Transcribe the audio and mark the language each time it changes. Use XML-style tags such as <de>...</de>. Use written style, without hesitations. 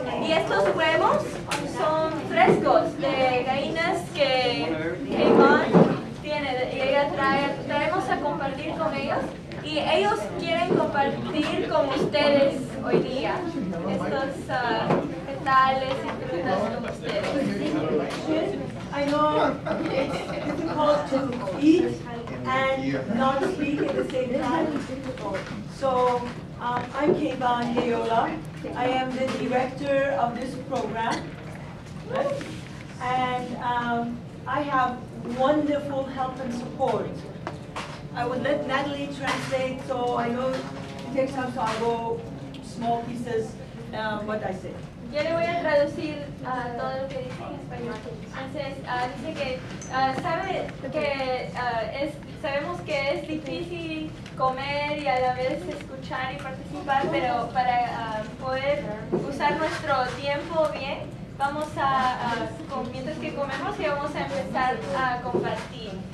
<es>Y estos huevos son frescos de gallinas que Iván tiene. Y ella traemos a compartir con ellos. Y ellos quieren compartir con ustedes hoy día estos vegetales y frutas con ustedes.</es> <en>I know it's difficult to eat and not speak at the same time. So I'm Kevan Deola. I am the director of this program. And I have wonderful help and support. I would let Natalie translate, so I know it takes time, so I'll go small pieces what I say.</en> <es>Yo le voy a traducir todo lo que dice en español. Entonces, dice que sabe que sabemos que es difícil comer y a la vez escuchar y participar, pero para poder usar nuestro tiempo bien, vamos a, mientras que comemos, y vamos a empezar a compartir.</es>